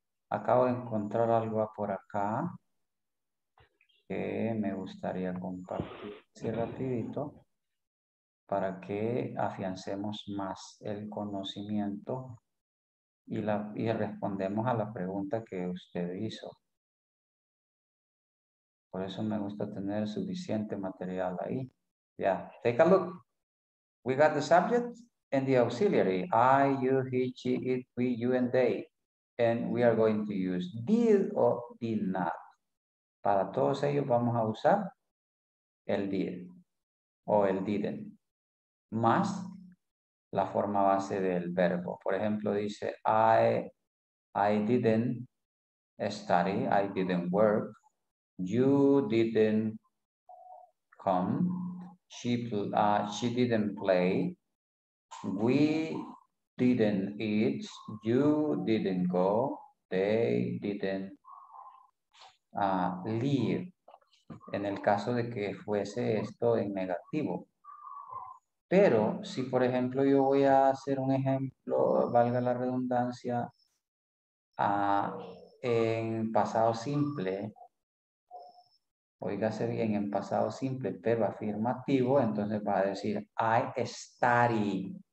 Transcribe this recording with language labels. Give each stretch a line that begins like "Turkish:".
Spanish: Acabo de encontrar algo por acá que me gustaría compartir así rapidito para que afiancemos más el conocimiento. Y respondemos a la pregunta que usted hizo. Por eso me gusta tener suficiente material ahí.
English: Yeah, take a look. We got the subject and the auxiliary. I, you, he, she, it, we, you, and they. And we are going to use did or did not.
Spanish: Para todos ellos vamos a usar el did o el didn't. Más la forma base del verbo. Por ejemplo, dice,
English: I didn't study, I didn't work, you didn't come, she didn't play, we didn't eat, you didn't go, they didn't leave.
Spanish: En el caso de que fuese esto en negativo. Pero si, por ejemplo, yo voy a hacer un ejemplo, valga la redundancia, en pasado simple, oígase bien, en pasado simple, pero afirmativo, entonces va a decir,
English: I study.